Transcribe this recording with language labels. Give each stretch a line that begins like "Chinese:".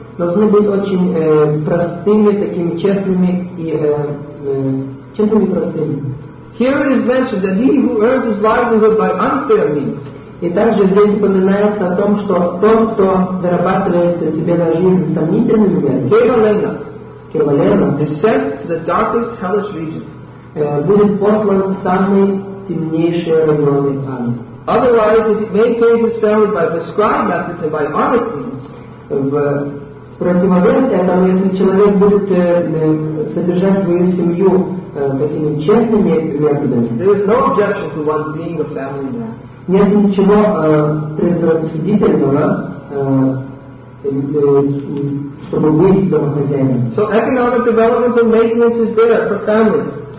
Russian: Должны быть очень простыми, такими честными и честными простыми.
English: Here it is mentioned that he who earns his livelihood by unfair means.
Russian: И также здесь упоминается о том, что тот, кто зарабатывает себе на жизнь сомнительными методами,
Sanskrit: кевалена,
English: is sent to the darkest hellish region.
Russian: Будет послан в самые темнейшие районы ада.
English: Otherwise, if he maintains his family by prescribed methods and by honest means,
Russian: в противовес этому, если человек будет содержать свою семью такими честными методами,
English: there is no objection to one being a family man.
Russian: Нет ничего предосудительного, чтобы быть домохозяином.
English: So economic development and maintenance is there for families.